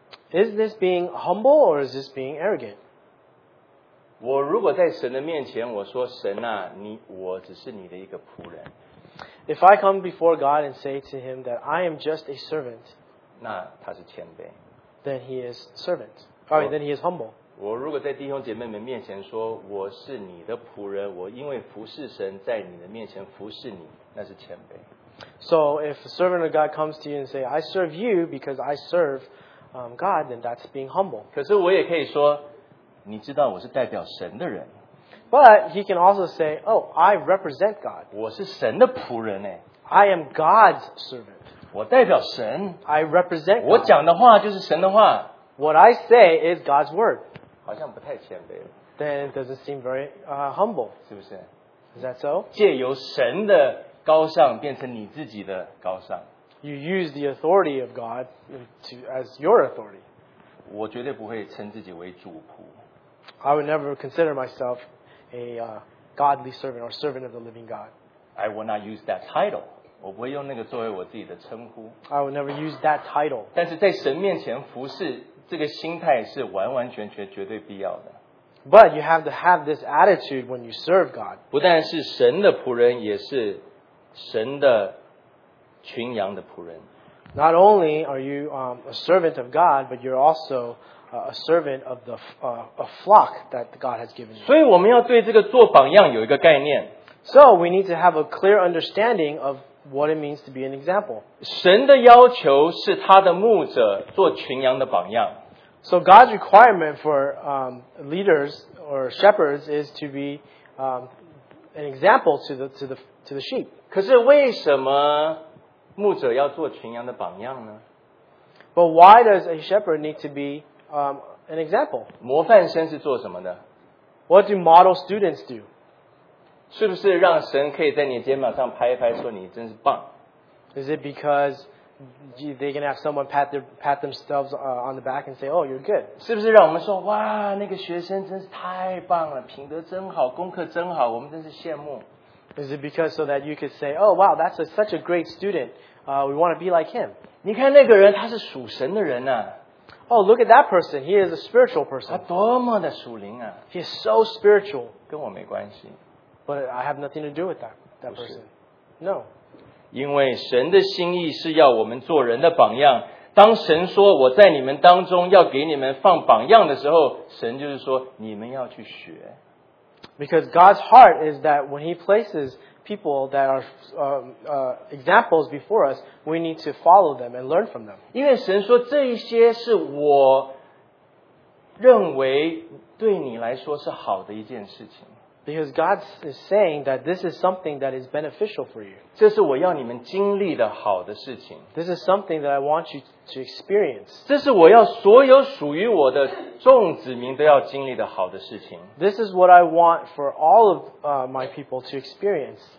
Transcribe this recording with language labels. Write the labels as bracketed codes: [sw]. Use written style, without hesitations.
[en] Is this being humble or is this being arrogant? [zh] 我如果在神的面前我说神啊你我只是你的一个仆人。 [en] If I come before God and say to him that I am just a servant, [zh] 那他是谦卑。 [en] Then he is servant. Sorry, then he is humble. [zh] 我如果在弟兄姐妹们面前说我是你的仆人，我因为服侍神在你的面前服侍你，那是谦卑。 [en] So if a servant of God comes to you and say, I serve you because I serve God, then that's being humble. [zh] 可是我也可以说，你知道我是代表神的人。 [en] But he can also say, oh, I represent God. [zh] 我是神的仆人耶。 [en] I am God's servant. [zh] 我代表神。 [en] I represent God. [zh] 我讲的话就是神的话。 [en] What I say is God's word. [zh] 好像不太谦卑了。 [en] Then it doesn't seem very humble. [zh] 是不是? [en] Is that so? [zh] 借由神的高尚变成你自己的高尚。 [en] You use the authority of God as your authority. [zh] 我绝对不会称自己为主仆。 [en] I would never consider myself a godly servant or servant of the living God. I will not use that title. [zh] 我不会用那个作为我自己的称呼。 [en] I would never use that title. [zh] 但是在神面前服侍这个心态是完完全全绝对必要的。 [en] But you have to have this attitude when you serve God. [zh] 不但是神的仆人，也是神的群羊的仆人。 [en] Not only are you a servant of God, but you're also a servant of the a flock that God has given you. [zh] 所以我们要对这个做榜样有一个概念。 [en] So we need to have a clear understanding of what it means to be an example. [zh] 神的要求是他的牧者做群羊的榜样。 [en] So God's requirement for leaders or shepherds is to be an example to the sheep. [zh] 可是为什么牧者要做群羊的榜样呢？ [en] But why does a shepherd need to be an example? [zh] 模范生是做什么的？ [en] What do model students do? [zh] 是不是让神可以在你肩膀上拍一拍说你真是棒？ [en] Is it because... They can have someone pat themselves on the back and say, oh, you're good. [zh] 是不是让我们说哇那个学生真是太棒了品德真好功课真好我们真是羡慕。 [en] Is it because so that you could say, oh, wow, that's such a great student. We want to be like him. [zh] 你看那个人他是属神的人啊。 [en] Oh, look at that person. He is a spiritual person. [zh] 他多么的属灵啊。 [en] He is so spiritual. [zh] 跟我没关系。 [en] But I have nothing to do with that person. No. [zh] 因为神的心意是要我们做人的榜样。当神说我在你们当中要给你们放榜样的时候，神就是说你们要去学。 [en] Because God's heart is that when He places people that are examples before us, we need to follow them and learn from them. [zh] 因为神说这一些是我认为对你来说是好的一件事情。 [en] Because God is saying that this is something that is beneficial for you. [zh] 这是我要你们经历的好的事情。 [en] This is something that I want you to experience. [zh] 这是我要所有属于我的众子民都要经历的好的事情。 [en] This is what I want for all of my people to experience.